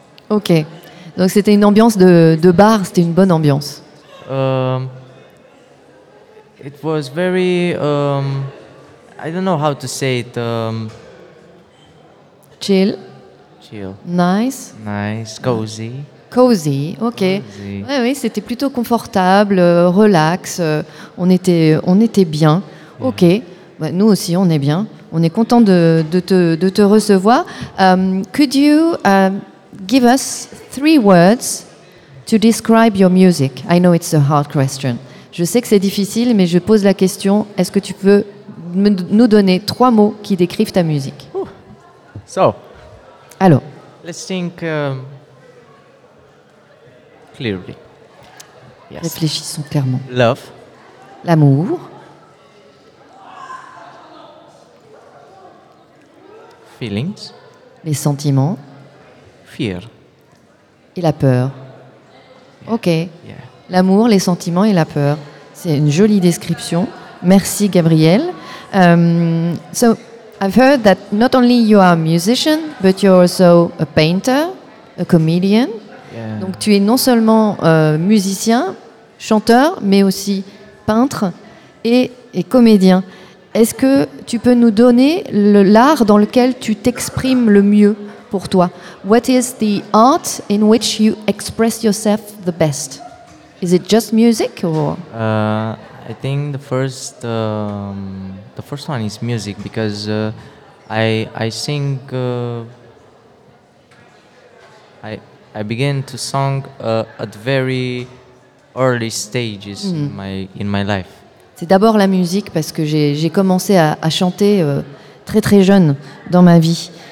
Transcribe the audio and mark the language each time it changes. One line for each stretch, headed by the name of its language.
French: Ok, donc c'était une ambiance de bar, c'était une bonne ambiance.
English: It was very, I don't know how to say it. Chill. Nice, cozy. Cozy, ok.
French: Oui, ouais, c'était plutôt confortable, relax, on était bien. Ok, bah, nous aussi on est bien, on est content de te recevoir.
English: Could you give us three words to describe your music? I know it's a hard question.
French: Je sais que c'est difficile, mais je pose la question, est-ce que tu peux nous donner trois mots qui décrivent ta musique?
English: So,
French: alors,
English: let's think... Clearly.
French: Yes. Réfléchissons clairement.
English: Love.
French: L'amour.
English: Feelings.
French: Les sentiments.
English: Fear.
French: Et la peur. Yeah. Ok. Yeah. L'amour, les sentiments et la peur. C'est une jolie description. Merci, Gabriel.
English: So, I've heard that not only you are a musician, but you're also a painter, a comedian.
French: Donc tu es non seulement musicien, chanteur, mais aussi peintre et comédien. Est-ce que tu peux nous donner l'art dans lequel tu t'exprimes le mieux pour toi?
English: What is the art in which you express yourself the best? Is it just music or? I think the first one is music because I sing I began to song at very early stages in my life.
French: C'est d'abord la musique parce que j'ai commencé à chanter très très jeune dans ma vie.